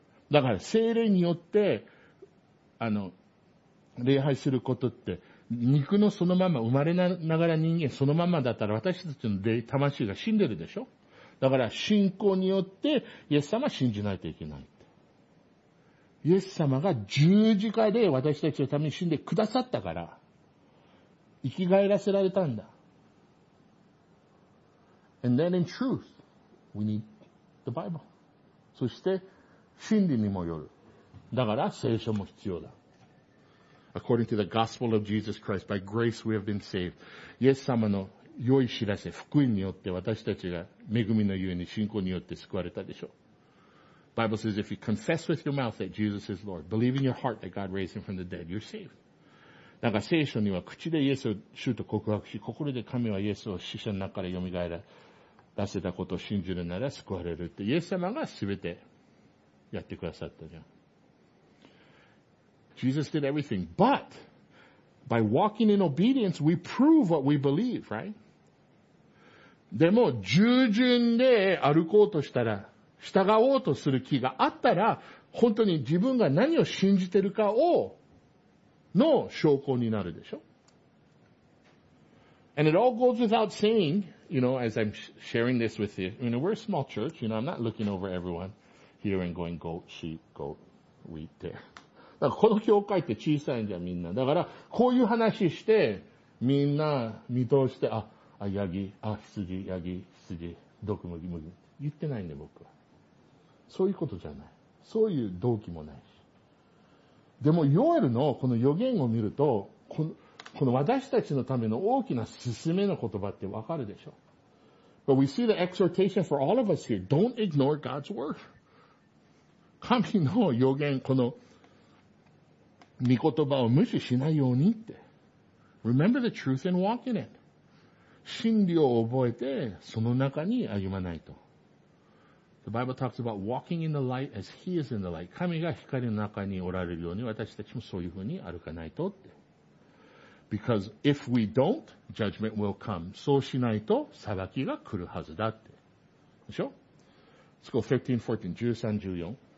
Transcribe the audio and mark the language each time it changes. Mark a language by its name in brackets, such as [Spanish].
[Japanese] だから、聖霊によって、礼拝することって、肉のそのまま、生まれながら人間そのままだったら、私たちの魂が死んでるでしょ。だから、信仰によって、イエス様は信じないといけないって。イエス様が十字架で私たちのために死んでくださったから、生き返らせられたんだ。 [English] And then in truth, we need the Bible. [Japanese] そして、真理にもよる。だから、聖書も必要だ。 [English] According to the gospel of Jesus Christ, by grace we have been saved. [Japanese] イエス様の良い知らせ、福音によって私たちが恵みのゆえに信仰によって救われたでしょう。 [English] Bible says, if you confess with your mouth that Jesus is Lord, believe in your heart that God raised him from the dead, you're saved. [Japanese] だから聖書には口でイエスを主と告白し、心で神はイエスを死者の中から蘇らせたことを信じるなら救われるって。イエス様がすべてやってくださったじゃん。 [English] Jesus did everything, but by walking in obedience, we prove what we believe, right? [Japanese] でも、従順で歩こうとしたら、従おうとする気があったら、本当に自分が何を信じてるかをの証拠になるでしょ? [English] And it all goes without saying, you know, as I'm sharing this with you, you know, we're a small church, you know, I'm not looking over everyone here and going goat, sheep, goat, wheat there. [Japanese] だからこの教会って小さいんじゃんみんな。だからこういう話してみんな見通して、あ、ヤギ、あ、羊、ヤギ、羊、毒麦、麦。言ってないんで僕は。そういうことじゃない。そういう動機もないし。でも、ヨエルのこの予言を見ると、この私たちのための大きな勧めの言葉ってわかるでしょ。 [English] But we see the exhortation for all of us here. Don't ignore God's word. [Japanese] 神の予言、この御言葉を無視しないようにって。 [English] Remember the truth and walk in it. [Japanese] 真理を覚えて、その中に歩まないと。 [English] The Bible talks about walking in the light as He is in the light. [Japanese] 神が光の中におられるように私たちもそういうふうに歩かないとって。 [English] Because if we don't, judgment will come. [Japanese] そうしないと裁きが来るはずだって。でしょ? [English] Let's go 13:14.